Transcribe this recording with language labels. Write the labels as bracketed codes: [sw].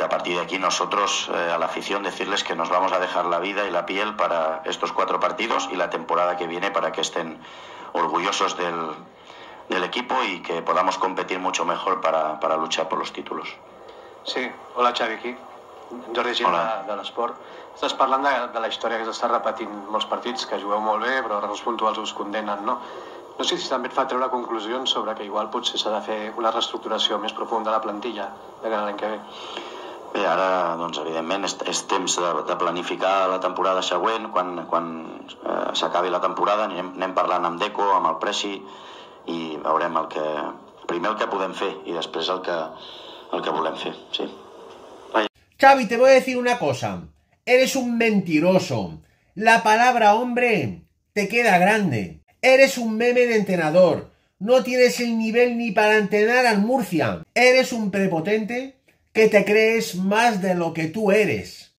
[es] A partir de aquí nosotros, a la afición, decirles que nos vamos a dejar la vida y la piel para estos cuatro partidos y la temporada que viene, para que estén orgullosos del equipo y que podamos competir mucho mejor para luchar por los títulos. [ca] Sí, hola, Xavi, aquí. Jordi Gil, de l'Esport. Estàs parlant de la història que s'està repetint molts partits, que jugueu molt bé, però els puntuals us condenen, no? No sé si també et fa treure conclusions sobre que igual potser s'ha de fer una reestructuració més profunda de la plantilla de cara a l'any que ve. Bé, ara, doncs, evidentment, és temps de planificar la temporada següent. Quan s'acabi la temporada, anem parlant amb Deco, amb el Presi, i veurem el que podem fer i després el que volem fer, sí. [es] Xavi, te voy a decir una cosa. Eres un mentiroso. La palabra hombre te queda grande. Eres un meme de entrenador. No tienes el nivel ni para entrenar al Murcia. Eres un prepotente que te crees más de lo que tú eres.